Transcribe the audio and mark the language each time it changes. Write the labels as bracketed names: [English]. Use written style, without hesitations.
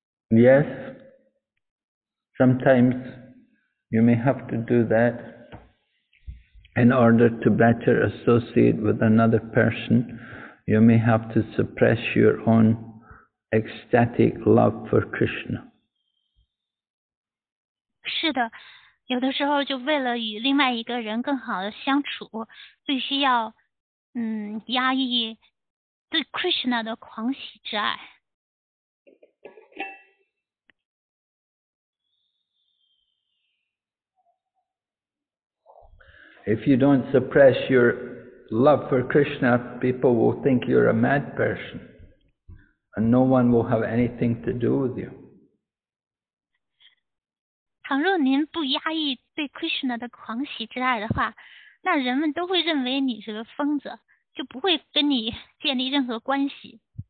[English] Yes, sometimes you may have to do that in order to better associate with another person. You may have to suppress your own ecstatic love for Krishna. [Chinese] 是的，有的时候就为了与另外一个人更好的相处，必须要压抑对 Krishna 的狂喜之爱。 [English] If you don't suppress your love for Krishna, people will think you're a mad person, and no one will have anything to do with you. [Chinese] 倘若您不压抑对 Krishna 的狂喜之爱的话，那人们都会认为你是个疯子，就不会跟你建立任何关系。